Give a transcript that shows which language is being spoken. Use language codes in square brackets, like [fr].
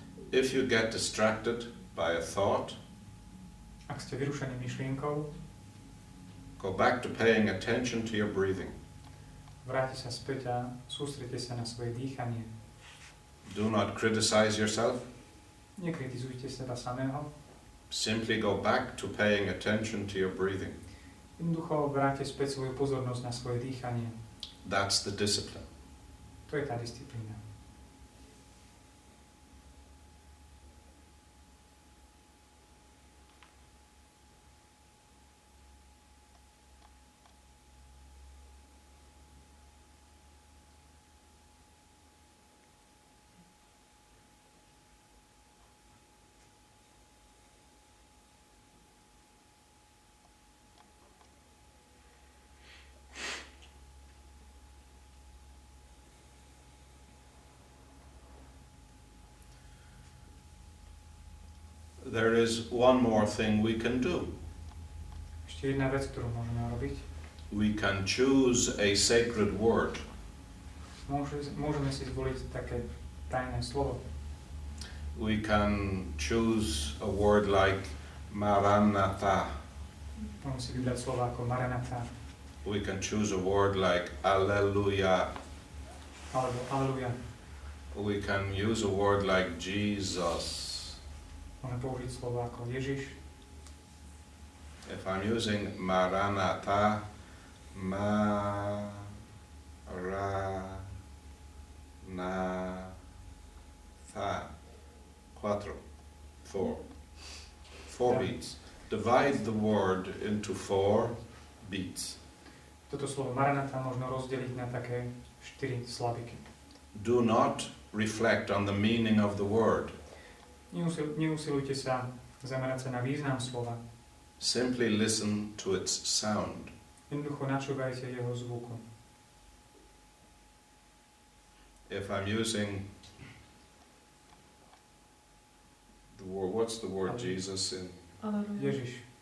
[en] If you get distracted by a thought, [sk] ak ste vyrušení myšlienkou, [en] go back to paying attention to your breathing. [sk] Vráťte sa späť a sústredte sa na svoje dýchanie. [en] Do not criticize yourself. [sk] Nekritizujte seba samého. [en] Simply go back to paying attention to your breathing. [sk] Jednoducho vráťte späť svoju pozornosť na svoje dýchanie. [en] That's the discipline. [sk] To je tá disciplína. [en] There is one more thing we can do. [sk] Ešte jedna vec, ktorú môžeme robiť. [en] We can choose a sacred word. [sk] Môžeme si zvoliť také tajné slovo. [en] We can choose a word like Maranatha. [sk] Môžeme si vybrať slovo ako Maranatha. [en] We can choose a word like Alleluja. [sk] Alebo Alleluja. [en] We can use a word like Jesus. [sk] Môžem použiť slovo ako Ježiš. [en] If I'm using Maranatha, Maranatha, quattro, four yeah. Beats. Divide the word into four beats. [sk] Toto slovo Maranatha možno rozdeliť na také štyri slabiky. [en] Do not reflect on the meaning of the word. [sk] Neusilujte sa zamerať sa na význam slova. [en] Simply listen to its sound. [sk] Jednoducho načúvajte jeho zvuku. [en] If I'm using the word, what's the word Jesus in? [sk] Ježiš.